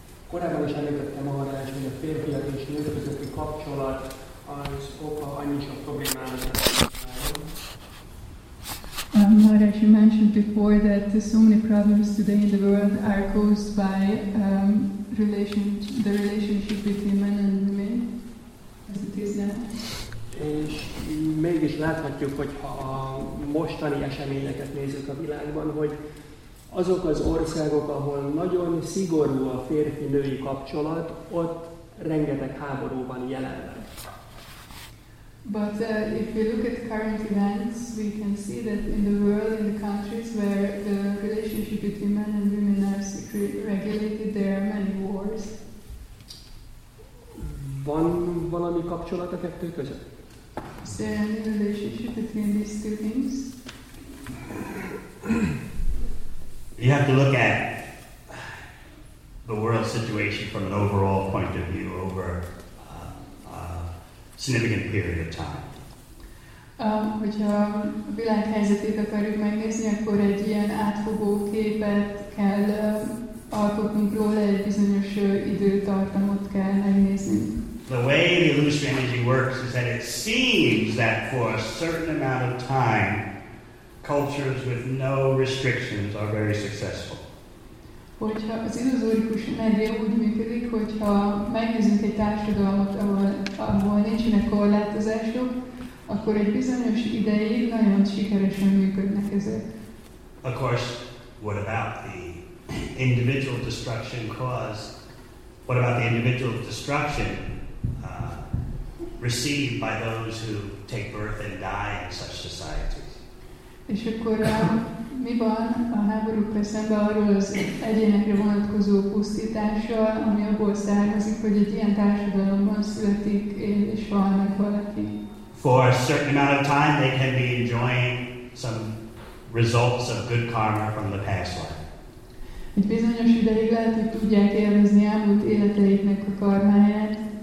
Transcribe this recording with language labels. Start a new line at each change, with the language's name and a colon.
Hungarian: Korábban is említettem arra, hogy a férfiak és nők közötti kapcsolat az oka annyi sok problémának.
English: Maharaj, you mentioned before that so many problems today in the world are caused by the relationship between men and women, as it is now.
Hungarian: És mégis láthatjuk, hogyha a mostani eseményeket nézzük a világban, hogy azok az országok, ahol nagyon szigorú a férfi-női kapcsolat, ott rengeteg háborúban jelenleg.
English: But if we look at current events, we can see that in the world, in the countries where the relationship between men and women are regulated, there are many wars.
Hungarian: Van valami kapcsolat a kettő között?
English: Is there any relationship between these two things? You have to look at the world situation from an overall point of view over a significant period of time.
Hungarian: Hogyha a világ helyzetét akarjuk megnézni, akkor egy ilyen átfogó képet kell alkotnunk róla, egy bizonyos időtartamot kell megnézni.
English: The way the illusory energy works is that it seems that for a certain amount of time, cultures with no restrictions are very successful.
Hungarian: Hogyha az illuzórikus energia úgy működik, hogyha megnézünk egy társadalmat, ahol nincsenek korlátozások, akkor egy bizonyos ideig nagyon sikeresen működnek ezek.
English: Of course, what about the individual destruction caused? What about the individual destruction received by those who take birth and die in such societies?
Hungarian: És akkor mi van a háborúkra szemben arról az egyénekre vonatkozó pusztítással, ami abból származik, hogy egy ilyen társadalomban születik és halnak valaki.
English: For a certain amount of time they can be enjoying some results of good karma from the past life.
Hungarian: Egy bizonyos ideig lehet, hogy tudják élvezni elmúlt életeiknek a karmáját.